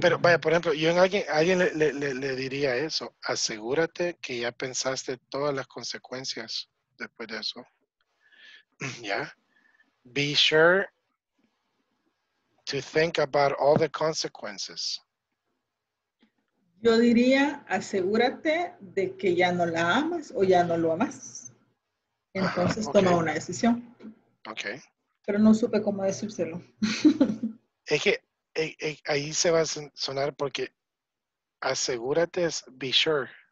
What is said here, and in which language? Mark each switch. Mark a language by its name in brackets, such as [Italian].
[Spanish] Pero vaya, por ejemplo, yo en alguien le diría eso. Asegúrate que ya pensaste todas las consecuencias después de eso. [English] Yeah. Be sure to think about all the consequences. [Spanish] Yo diría, asegúrate de que ya no la amas o ya no lo amas. Entonces toma una decisión. [English] Okay. [Spanish] Pero no supe cómo decírselo. Es que ahí se va a sonar porque asegúrate es [English] be sure.